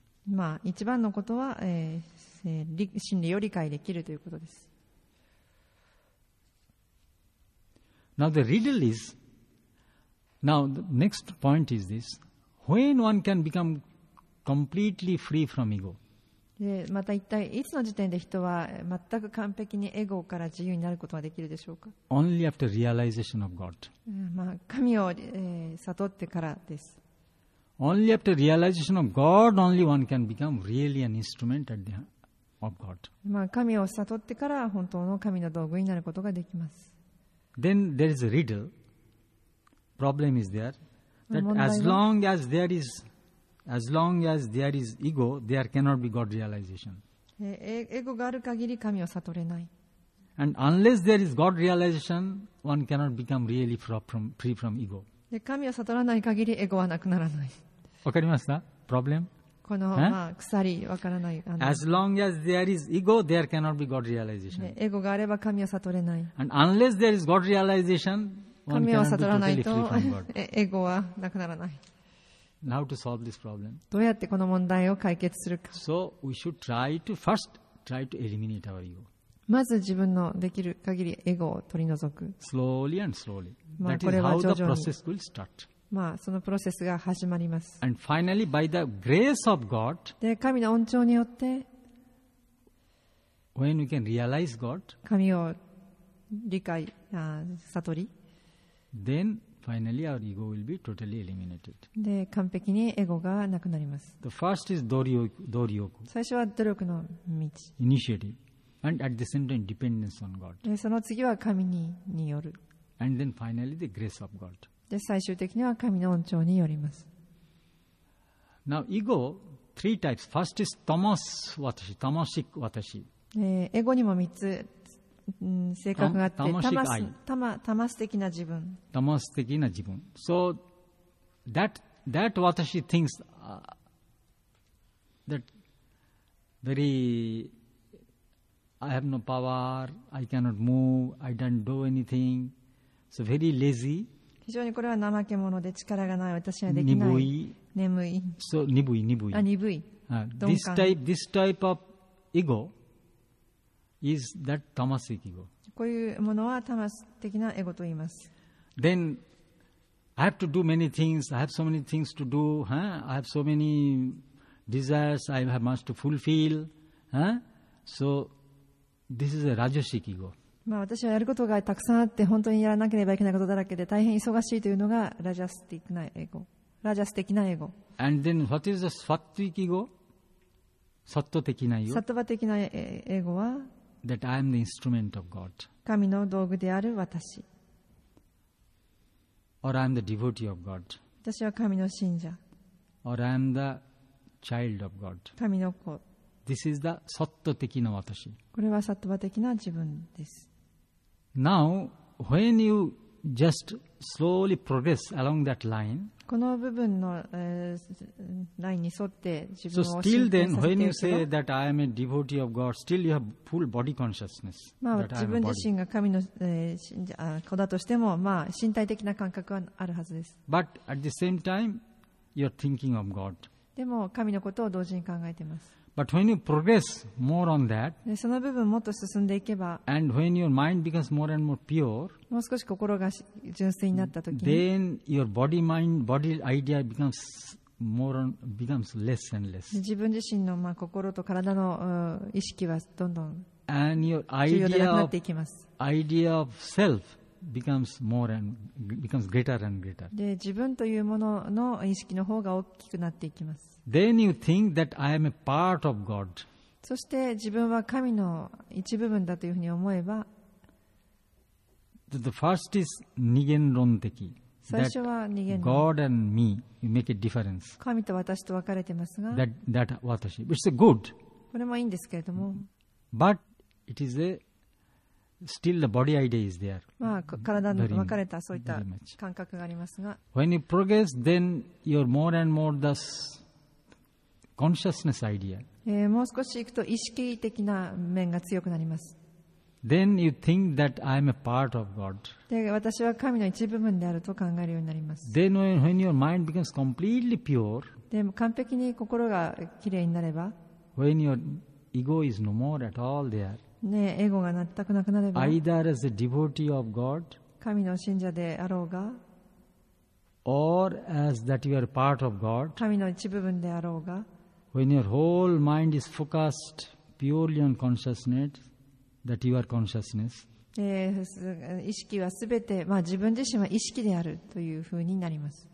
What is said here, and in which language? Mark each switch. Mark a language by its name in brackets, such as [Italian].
[Japanese] まあ、一番のことは、真理を理解できるということです。 [English] Now the riddle is, now the next point is this, when one can become completely free from ego? [Japanese] また一体いつの時点で人は全く完璧にエゴから自由になることができるでしょうか？ [English] Only after realization of God. [Japanese] まあ、神を、悟ってからです。 [English] Only after realization of God, only one can become really an instrument at the of God. [Japanese] まあ、神を悟ってから本当の神の道具になることができます。 [English] Then there is a riddle. Problem is there that as long as there is ego, there cannot be God realization. [Japanese] エゴがある限り神を悟れない。 [English] And unless there is God realization, one cannot become really free from ego. [Japanese] で、神を悟らない限りエゴはなくならない。わかりますか？プロブレム。この、まあ、鎖、わからない。 [English] As long as there is ego, there cannot be God realization. [Japanese] エゴがあれば神を悟れない。 [English] And unless there is God realization, one cannot be totally free from God. [Japanese] エゴはなくならない。 [English] Now to solve this problem. [Japanese] どうやってこの問題を解決するか。 [English] So we should try to first try to eliminate our ego. [Japanese] まず自分のできる限りエゴを取り除く。 [English] Slowly and slowly. That is how the process will start. [Japanese] まあ、そのプロセスが始まります。 [English] And finally, by the grace of God, [Japanese] で、神の恩寵によって、 [English] when we can realize God, [Japanese] 神を理解、悟り、 [English] then finally our ego will be totally eliminated. [Japanese] で、完璧にエゴがなくなります。 [English] The first is Doryoku. [Japanese] 最初は努力の道。 [English] Initiative. And at the same time, dependence on God. [Japanese] で、その次は神による。 [English] And then finally, the grace of God. [Japanese] で、最終的には神の恩寵によります。 [English] Now, ego, three types. First is tamas watashi, tamasic watashi. [Japanese] エゴにも3つ、性格があって、tamas的な自分。 tamas的な自分。 [English] So, that watashi thinks, that very... I have no power, I cannot move, I don't do anything. So very lazy. [Japanese] 非常にこれは怠け者で力がない、私はできない。鈍い。眠い。 So, 鈍い。あ、鈍い。 [English] This type of ego is that tamasic ego. [Japanese] こういうものは tamas 的なエゴと言います。 [English] Then, I have to do many things, I have so many things to do, I have so many desires, I have much to fulfill. So,This is a rajasic ego. [Japanese] まあ、私はやることがたくさんあって本当にやらなければいけないことだらけで大変忙しいというのがラジャス的なエゴ。ラジャス的なエゴ。 [English] And then what is the sattvic ego? [Japanese] サット的なエゴ。サットバ的なエゴは [English] That I am the instrument of God. [Japanese] 神の道具である私。 [English] Or I am the devotee of God. [Japanese] 私は神の信者。 [English] Or I am the child of God. [Japanese] 神の子 [English] This is the sattva 的な私。 [Japanese] これはサットバ的な自分です。 [English] Now, when you just slowly progress along that line, [Japanese] この部分の、ラインに沿って自分を進展させているけど、 [English] So still then, when you say that I am a devotee of God, still you have full body consciousness. [Japanese] まあ、自分自身が神の、子だとしても、まあ、身体的な感覚はあるはずです。 [English] But at the same time, you're thinking of God. [Japanese] でも、神のことを同時に考えています。 [English] But when you progress more on that, [Japanese] その部分もっと進んでいけば、 [English] and when your mind becomes more and more pure, [Japanese] もう少し心が純粋になったときに、 [English] then your body mind body idea becomes less and less. [Japanese] 自分自身のまあ心と体の意識はどんどん重要でなくなっていきます。 [English] And your idea of self becomes more and becomes greater and greater. [Japanese] で、自分というものの意識の方が大きくなっていきます。 [English] Then you think that I am a part of God. [Japanese] そして自分は神の一部分だというふうに思えば、 [English] the first is 二元論的。 [Japanese] 最初は二元論。 [English] God and me, you make a difference. [Japanese] 神と私と分かれてますが、 [English] that 私、which is good. [Japanese] これもいいんですけれども、 [English] but it is a still the body idea is there. [Japanese] まあ体の分かれたそういった感覚がありますが、 [English] when you progress, then you're more and more thus. Consciousness idea. [Japanese] もう少し行くと意識的な面が強くなります。 [English] Then you think that I am a part of God. [Japanese] で、私は神の一部分であると考えるようになります。 [English] Then when your mind becomes completely pure, [Japanese] でも完璧に心がきれいになれば、 [English] when your ego is no more at all there, [Japanese] ね、エゴが全くなくなれば、 [English] either as a devotee of God, [Japanese] 神の信者であろうが、 [English] or as that you are part of God, [Japanese] 神の一部分であろうが、 [English] When your whole mind is focused purely on consciousness, that you are consciousness. [Japanese] 意識はすべて、まあ、自分自身は意識であるというふうになります。